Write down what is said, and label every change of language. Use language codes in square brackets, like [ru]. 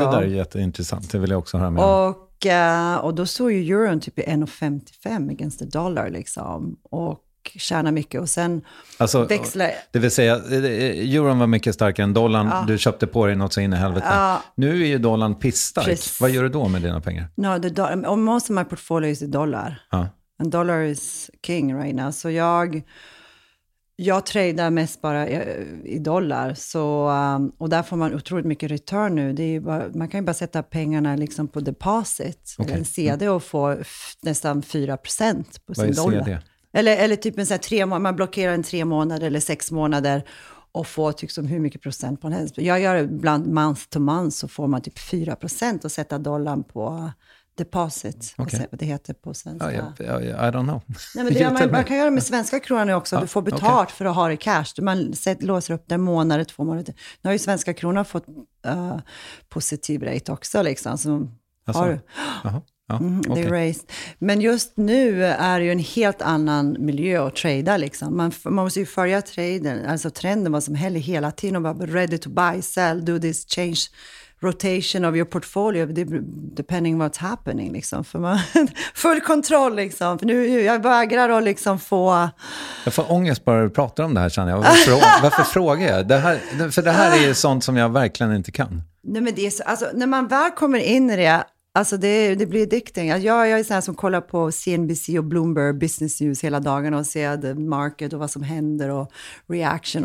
[sv] Ja, det där är jätteintressant, det vill jag också höra mer. Och då såg ju euron typ 1,55 [en] against the dollar [sv] liksom. Och tjäna mycket och sen alltså, växla. Det vill säga, euron var mycket starkare än dollarn. Ja. Du köpte på dig något så in i helvete. Ja. Nu är ju dollarn pissstark. Precis. Vad gör du då med dina pengar? [en] No, most of my portfolio is dollar. [sv] Ja. [en] And dollar is king right now. [sv] Så jag tradar mest bara i dollar. Så, och där får man otroligt mycket return nu. Det är ju bara, man kan ju bara sätta pengarna liksom på deposit. Okay. En CD och få nästan 4% på vad sin dollar. CD? Eller typ en så här, man blockerar en 3 månader eller 6 månader och få liksom hur mycket procent på en häst. Jag gör det bland [en] month to month, [sv] så får man typ 4% och sätta dollarn på deposit. Okay. Vad det heter på svenska. [en] I don't know. [sv] Nej, men det gör man kan göra det med svenska kronan också. Du får betalt för att ha det cash. Man låser upp det månader, två månader. Nu har ju svenska kronan fått positiv rate också. Liksom, så har du. Det är race. Men just nu är det ju en helt annan miljö att trada. Liksom. Man måste ju följa traden, alltså trenden, vad som händer hela tiden. Och vara [en] ready to buy, sell, do this, change rotation of your portfolio depending what's happening. [sv] Liksom. För man, full kontroll. Liksom. För nu, jag vägrar att liksom få... Jag får ångest bara att prata om det här, känner jag. Varför frågar jag? Det här är ju sånt som jag verkligen inte kan. Nej, men det är så, alltså, när man väl kommer in i det... Alltså det blir addicting. Jag är sån här som kollar på CNBC och Bloomberg Business News hela dagen och ser [en] the market [sv] och vad som händer och reaction.